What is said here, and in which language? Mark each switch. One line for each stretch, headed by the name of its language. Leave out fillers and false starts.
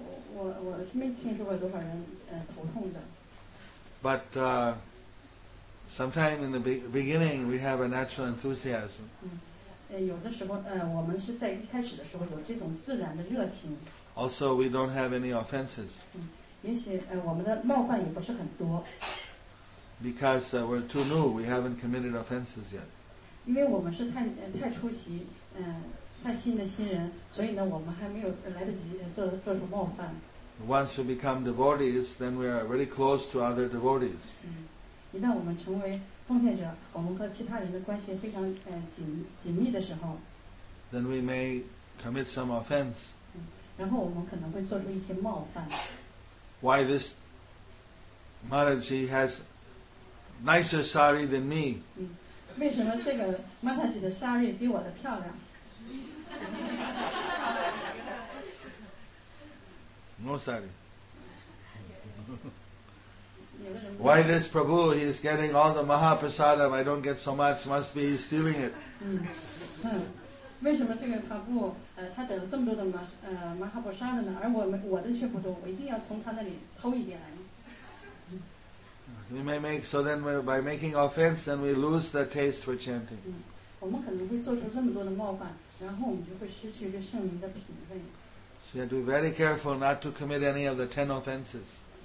Chinese: 我没听说过多少人头痛的。
English: But sometime in the beginning, we have a natural enthusiasm.
Chinese: 有的时候，我们是在一开始的时候有这种自然的热情。
English: Also, we don't have any offenses.
Chinese: 也许，我们的冒犯也不是很多。
English: Because we're too new, we haven't committed offenses yet.
Chinese: 因为我们是太初习，太新的新人，所以呢，我们还没有来得及做出冒犯。
English: Once we become devotees, then we are very close to other devotees.
Chinese: 一旦我们成为奉献者，我们和其他人的关系非常紧密的时候，
English: then we may commit some offense.
Chinese: 然后我们可能会做出一些冒犯。
English: Why this Mataji has nicer sari than me?
Chinese: 为什么这个 Mataji 的 sari 比我的漂亮？
English: No sari. Why this Prabhu? He is getting all the Mahaprasadam. I don't get so much. Must be he's stealing it.
Chinese: 为什么这个他不他得了这么多的马哈波沙的呢，而我的却不多，我一定要从他那里偷一点来。
English: We may make, so then by making offense, then we lose the taste for chanting. So you have to be very careful not to commit any of the 10 offenses.